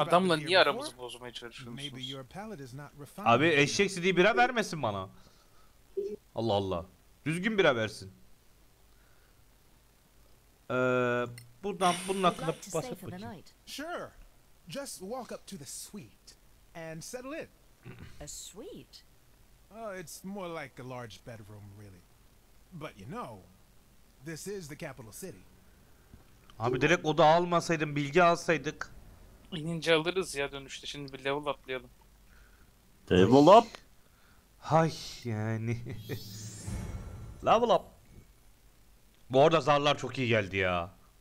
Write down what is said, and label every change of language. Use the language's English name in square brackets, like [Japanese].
[Turkish] Adamla niye aramızı bozmaya çalışıyorsunuz? Abi eşek sidiği bira vermesin bana. Allah Allah. Düzgün bira versin. Buradan bunun hakkında basıp bakayım. [English] Sure. Just walk up to the suite and settle in. A suite. Oh, it's more like a large bedroom really. But you know, this is the capital city. [Turkish] Abi direkt oda almasaydın, bilgi alsaydık. İnince alırız ya dönüşte, şimdi bir level atlayalım. [English] Level up! [Turkish] Hay yani. [English] Level up! [Turkish] Bu arada zarlar çok iyi geldi ya.